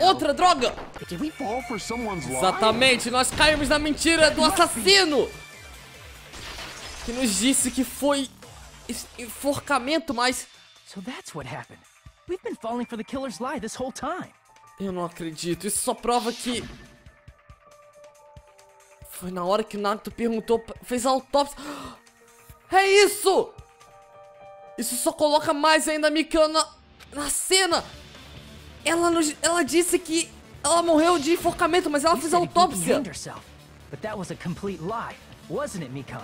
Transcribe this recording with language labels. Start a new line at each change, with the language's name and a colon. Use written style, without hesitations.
Portuguese: outra,
English: you know?
Portuguese: Droga!
English: But did we fall for someone's lie?
Portuguese: Exatamente, nós caímos na mentira do assassino! Que nos disse que foi enforcamento, mas...
English: So that's what happened. We've been falling for the killer's lie this whole time.
Portuguese: Eu não acredito. Isso só prova que foi na hora que o Naruto perguntou, fez a autópsia. É isso! Isso só coloca mais ainda a Mikan na cena. Ela disse que ela morreu de enforcamento, mas ela fez a autópsia.
English: But that was a complete lie, wasn't it, Mikan?